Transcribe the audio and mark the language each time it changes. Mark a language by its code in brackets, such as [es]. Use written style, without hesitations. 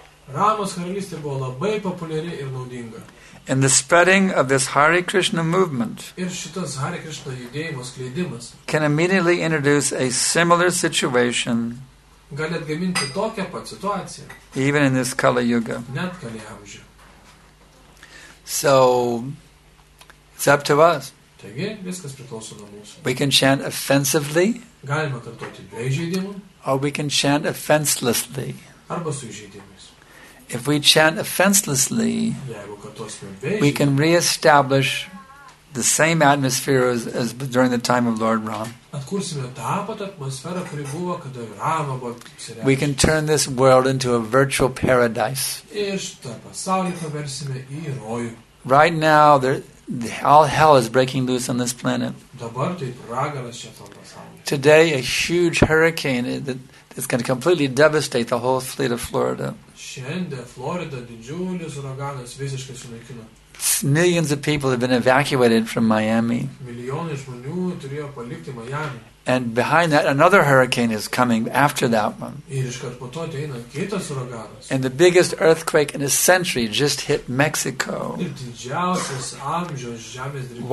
[lt] Ramos karalystė buvo labai populiari ir naudinga. [en] And the spreading of this Hare Krishna movement [lt] ir šitas Hare Krishna judėjimo skleidimas [en] can immediately introduce a similar situation [lt] gali atgaminti tokią pat situaciją [en] even in this Kali Yuga. [lt] Net Kali amžiu. [en] So, it's up to us. [lt] Taigi, viskas priklauso nuo mūsų. [en] We can chant offensively. [lt] Galima kartoti be įžeidimų. [en] Or we can chant offenselessly. [lt] Arba su įžeidimais. [en] If we chant offenselessly, [lt] jeigu kartosime be įžeidimų, [en] we can reestablish the same atmosphere as during the time of Lord Ram. [lt] Atkursime tą pat atmosferą, kuri buvo, kada Rama buvo apsireiškęs. [en] We can turn this world into a virtual paradise. [lt] Ir šitą pasaulį paversime į rojų. [en] Right now, all hell is breaking loose on this planet. [lt] Dabar tai pragaras čia tam pasaulyje. [en] Today, a huge hurricane that's going to completely devastate the whole fleet of Florida. [lt] Šiandien Florida didžiulis uraganas visiškai sunaikino. [en] Millions of people have been evacuated from Miami. [lt] Milijonai žmonių turėjo palikti Miami. [en] And behind that, another hurricane is coming after that one. [lt] Ir iškart po to ateina kitas uraganas. [en] And the biggest earthquake in a century just hit Mexico. [lt] Ir didžiausias amžiaus žemės drebėjimas.